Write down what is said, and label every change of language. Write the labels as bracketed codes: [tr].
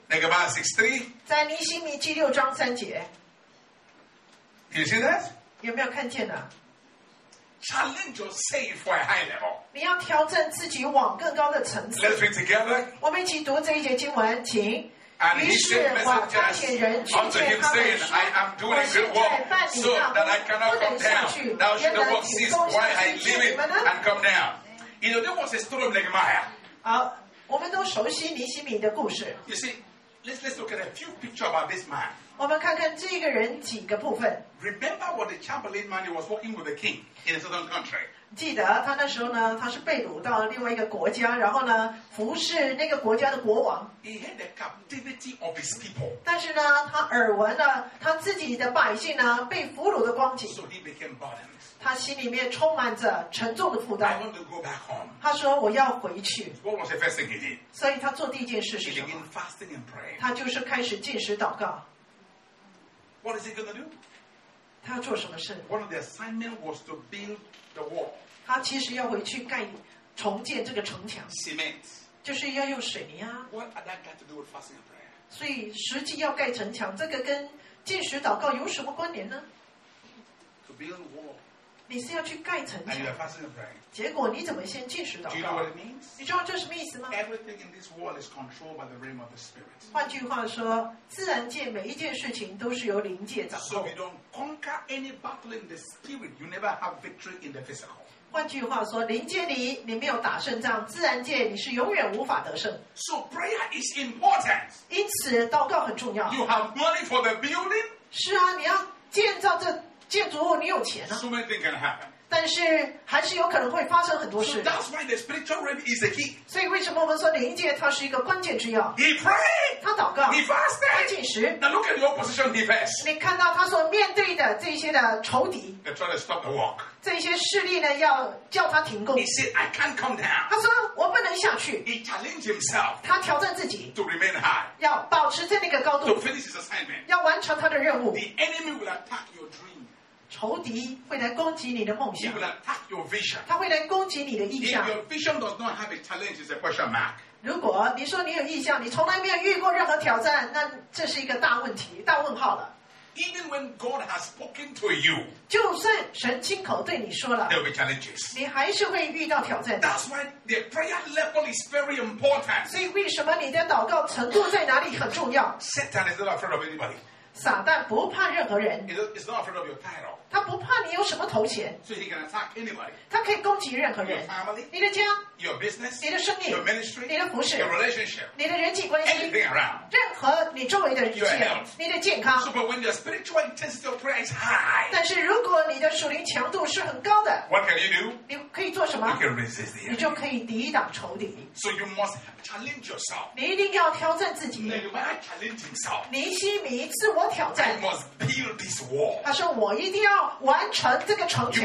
[en] Nehemiah 6:3. [zh] 在尼希米记六章三节 [en] You see that? [zh] 有没有看见呢 [en] Challenge yourself for a high level. [zh] 你要挑战自己往更高的层次。 [en] Let's read together. [zh] 我们一起读这一节经文，请。 [en] And he sent messengers unto him, saying, "I am doing good work, so that I cannot come down. Thou shalt not cease while I live it and come down." You know, there was a story of Nehemiah. [zh] 好，我们都熟悉尼希米的故事。 [en] You see, let's look at a few pictures about this man. [zh] 我们看看这个人几个部分。 [en] Remember what the chamberlain man was working with the king in a certain country. [zh] 记得他那时候呢，他是被掳到另外一个国家，然后呢，服侍那个国家的国王。 [en] He had the captivity of his people. [zh] 但是呢，他耳闻了他自己的百姓呢被俘虏的光景。 [en] So he became burdened. [zh] 他心里面充满着沉重的负担。 [en] I want to go back home. [zh] 他说我要回去。 [en] What was the first thing he did? [zh] 所以他做第一件事是什么 [en] ？He began fasting and praying. [zh] 他就是开始进食祷告。 [en] What is he going to do? [zh] 他要做什么事 [en] One of the assignments was to build the wall. [zh] 他其实要回去盖重建这个城墙 [en] Cement. [zh] 就是要用水泥啊 [en] What had that got to do with fasting and prayer? [zh] 所以实际要盖城墙，这个跟进食祷告有什么关联呢 [en] To build a wall. [zh] 你是要去盖城墙 [en] And you're fasting and praying. [zh] 结果你怎么先进食祷告 [en] Do you know what it means? [zh] 你知道这什么意思吗 [en] Everything in this wall is controlled by the realm of the spirit. [zh] 换句话说自然界每一件事情都是由灵界掌控。 [en] So if you don't conquer any battle in the spirit, you never have victory in the physical. [zh] 换句话说，灵界里你没有打胜仗，自然界你是永远无法得胜。 [en] So prayer is important. [zh] 因此，祷告很重要。 [en] You have money for the building. [zh] 是啊，你要建造这建筑物，你有钱啊。 [en] So many things can happen. [zh] 但是还是有可能会发生很多事。 [en] So that's why the spiritual realm is the key. [zh] 所以为什么我们说灵界它是一个关键之要 [en] ？He prayed. [zh] 他祷告。 [en] He fasted. [zh] 他进食。 [en] Now look at the opposition he faced. [zh] 你看到他所面对的这些的仇敌。 [en] They're trying to stop the walk. [zh] 这些势力呢，要叫他停工。 [en] He said, "I can't come down." [zh] 他说我不能下去。 [en] He challenged himself. [zh] 他挑战自己。 [en] To remain high. [zh] 要保持在那个高度。 [en] To finish his assignment. [zh] 要完成他的任务。 [en] The enemy will attack your dream. [zh] 仇敌会来攻击你的梦想。 [en] He will attack your vision. [zh] 他会来攻击你的意向。 [en] If your vision does not have a challenge, it's a question mark. [zh] 如果你说你有意向，你从来没有遇过任何挑战，那这是一个大问题，大问号了。 [en] Even when God has spoken to you, [zh] 就算神亲口对你说了 [en] ，there will be challenges. [zh] 你还是会遇到挑战。 [en] That's why the prayer level is very important. [zh] 所以为什么你的祷告程度在哪里很重要 [en] ？Satan is not afraid of anybody. [zh] 撒旦不怕任何人。 [en] It's not afraid of your title. [zh] 他不怕你有什么头衔。 [en] So he can attack anybody. [zh] 他可以攻击任何人。 [en] Your family. [zh] 你的家。 [en] Your business. [zh] 你的生意。 [en] Your ministry. [zh] 你的服事。 [en] Your relationship. [zh] 你的人际关系。 [en] Anything around. [zh] 任何你周围的一切。 [en] Your health. [zh] 你的健康。 [en] So, but when your spiritual intensity of prayer is high. [zh] 但是如果你的属灵强度是很高的。 [en] What can you do? [zh] 你可以做什么？ [en] You can resist the enemy. [zh] 你就可以抵挡仇敌。 [en] So you must challenge yourself. [zh] 你一定要挑战自己。 [en] Now you might challenge yourself. [zh] 尼希米自我挑战。 [en] You must build this wall. [zh] 他说我一定要完成这个城墙。